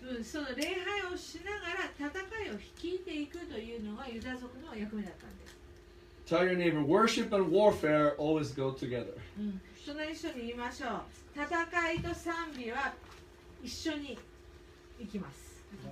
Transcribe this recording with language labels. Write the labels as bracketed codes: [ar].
[ja] その礼拝をしながら戦いを率いていくというのがユダ族の役目だったんです。 [en] Tell your neighbor, worship and warfare always go together. [ja] 隣の人に言いましょう。戦いと賛美は一緒に行きます。